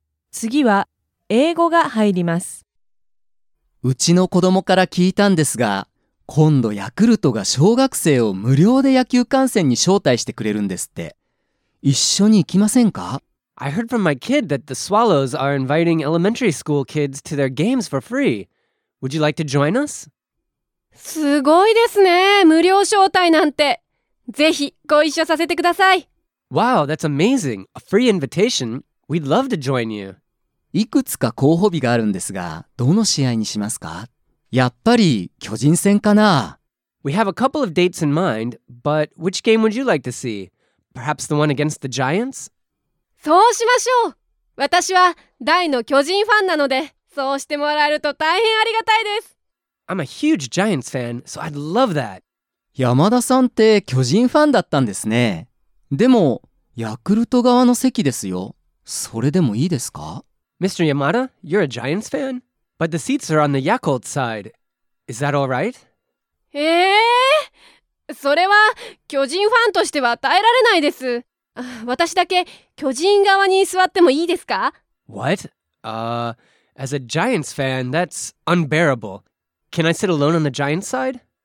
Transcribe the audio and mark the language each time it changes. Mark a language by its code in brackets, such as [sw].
[ja] 次は英語が入ります。うちの子供から聞いたんですが、今度ヤクルトが小学生を無料で野球観戦に招待してくれるんですって。一緒に行きませんか？ [en] I heard from my kid that the Swallows are inviting elementary school kids to their games for free. Would you like to join us? [ja] すごいですね、無料招待なんて。ぜひご一緒させてください。 [en] Wow, that's amazing. A free invitation. We'd love to join you. [ja] いくつか候補日があるんですが、どの試合にしますか？やっぱり巨人戦かな。 [en] We have a couple of dates in mind, but which game would you like to see? Perhaps the one against the Giants? [ja] そうしましょう。私は大の巨人ファンなので、そうしてもらえると大変ありがたいです。 [en] I'm a huge Giants fan, so I'd love that. [ja] 山田さんって巨人ファンだったんですね。でもヤクルト側の席ですよ。それでもいいですか？ [en] Mr. Yamada, you're a Giants fan? But the seats are on the Yakult side. Is that all right? [ja] それは巨人ファンとしては耐えられないです。私だけ巨人側に座ってもいいですか？ [en] What? As a Giants fan, that's unbearable. Can I sit alone on the Giants side?